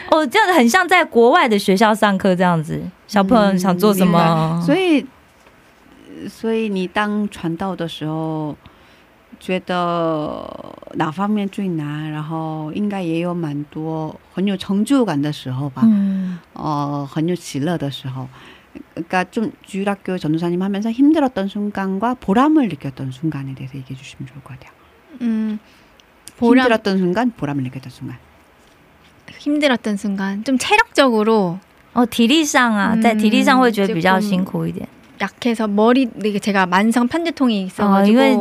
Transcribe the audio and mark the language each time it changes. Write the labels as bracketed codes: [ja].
[zh] 这样很像在国外的学校上课这样子小朋友想做什么所以你当传道的时候 觉得哪方面最难，然后应该也有蛮多很有成就感的时候吧，很有喜乐的时候。 [ko] 그러니까좀주일학교 전도사님 하면서 힘들었던 순간과 보람을 느꼈던 순간에 대해서 얘기해 주시면 좋을 것 같아요. 보람. 힘들었던 순간, 보람을 느꼈던 순간. 힘들었던 순간, 좀 체력적으로. [zh] 体力上啊，在体力上会觉得比较辛苦一点。 [ko] 약해서 머리 이게 제가 만성 편두통이 있어가지고